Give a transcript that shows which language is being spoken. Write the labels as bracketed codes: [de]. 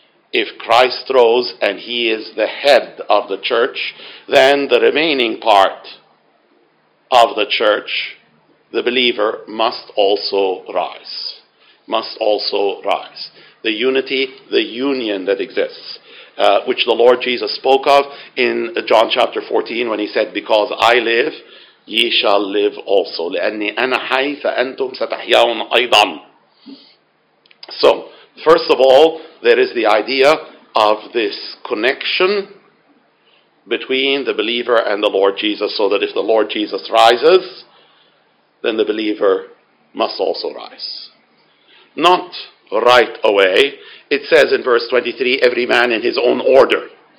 [en] If Christ rose and he is the head of the church, then the remaining part of the church, the believer, must also rise. Must also rise. The unity, the union that exists, which the Lord Jesus spoke of in John chapter 14 when he said, because I live, ye shall live also. [ar] لأني أنا حي فأنتم ستحيون أيضا. [en] So, first of all, there is the idea of this connection between the believer and the Lord Jesus, so that if the Lord Jesus rises, then the believer must also rise. Not right away. It says in verse 23, every man in his own order.